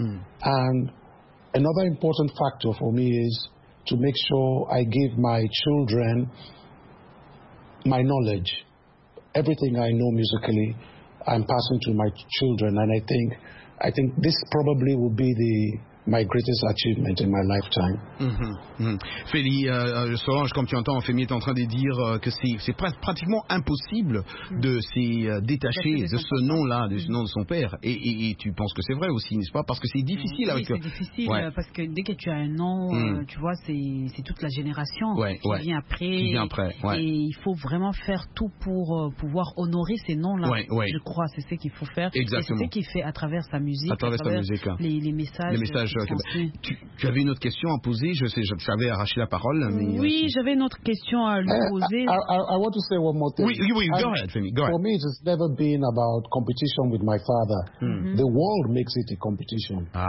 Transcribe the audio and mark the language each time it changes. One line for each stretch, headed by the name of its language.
English: Mm. And another important factor for me is to make sure I give my children my knowledge. Everything I know musically, I'm passing to my children. And I think this probably will be the my greatest achievement in my lifetime.
French: Féli, Solange, comme tu entends, Femi est en train de dire que c'est pratiquement impossible de s'y détacher de ce nom-là, de ce nom de son père. Et tu penses que c'est vrai aussi, n'est-ce pas? Parce que c'est difficile. Oui, c'est difficile, ouais. Parce que dès que tu as un nom, tu vois, c'est toute la génération qui vient après. Ouais. Et il faut vraiment faire tout pour pouvoir honorer ces noms-là. Ouais, ouais. Je crois que c'est ce qu'il faut faire. Exactement. Et c'est ce qu'il fait à travers sa musique, les messages. Tu avais une autre question à poser, j'avais arraché la parole. Mais oui, j'avais une autre question à lui poser.
English: I want to say one more thing. Go ahead. For me, it has never been about competition with my father. Mm-hmm. The world makes it a competition.